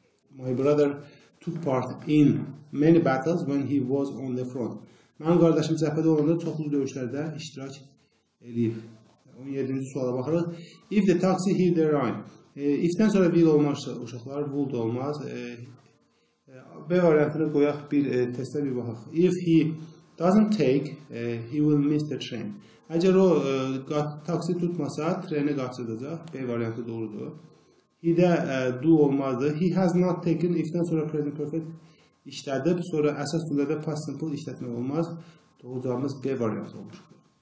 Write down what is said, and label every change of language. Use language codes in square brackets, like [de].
[en] My brother took part in many battles when he was on the front. [az] Mənim qardaşım cəhbədə olanda çoxlu döyüşlərdə iştirak edib. 17-ci suala baxırıq. [en] If the taxi hit the line. [az] If-dən sonra will olmaz uşaqlar, would olmaz. B variantını qoyaq bir testə bir baxaq. [en] If he doesn't take, he will miss the train. [az] Əgər o taksi tutmasa, treni qaçırdacaq. B variantı doğrudur. He-də do olmazdı. He has not taken, if-dən sonra present perfect işlədib. Sonra əsas cümlədə past simple işlətmək olmaz. Doğrucağımız B variantı olmuşdur.